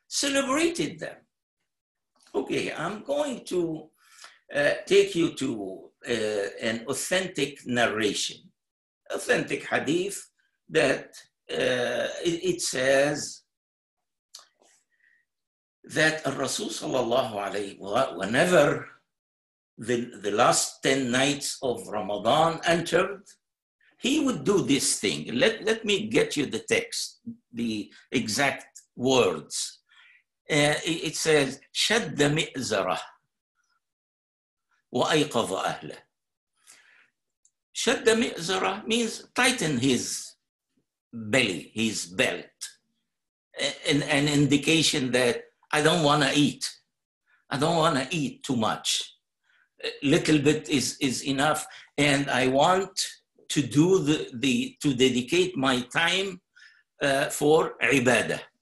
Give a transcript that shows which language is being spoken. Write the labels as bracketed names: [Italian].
[English] celebrated them. Okay, I'm going to take you to an authentic narration, authentic hadith that it says that Rasul sallallahu alayhi wa sallam, whenever the last 10 nights of Ramadan entered, he would do this thing. Let me get you the text, the exact words. It says, [Arabic] شَدَّ مِئْزَرَهُ وَأَيْقَظَ أَهْلَهُ. شَدَّ مِئْزَرَهُ [English] means tighten his belly, his belt. An indication that I don't want to eat. I don't want to eat too much. A little bit is enough. And I want to do to dedicate my time for ibadah.